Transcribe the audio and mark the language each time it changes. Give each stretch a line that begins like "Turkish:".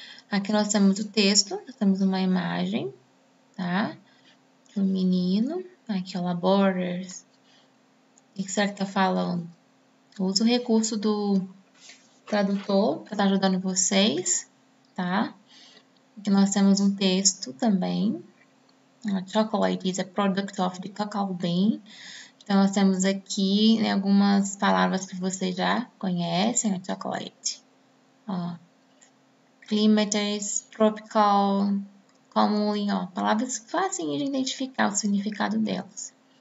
Portuguese: Aqui nós temos o texto, nós temos uma imagem, tá? Um menino, aqui é o Laborers. O que será que tá falando? Usa o recurso do tradutor para estar ajudando vocês, tá? Aqui nós temos um texto também.
English: A chocolate is a product of the cacao bean.
Portuguese: Então nós temos aqui, né, algumas palavras que vocês já conhecem, a chocolate. Ó. Climates, tropical, commonly, ó, palavras fáceis de identificar o significado delas.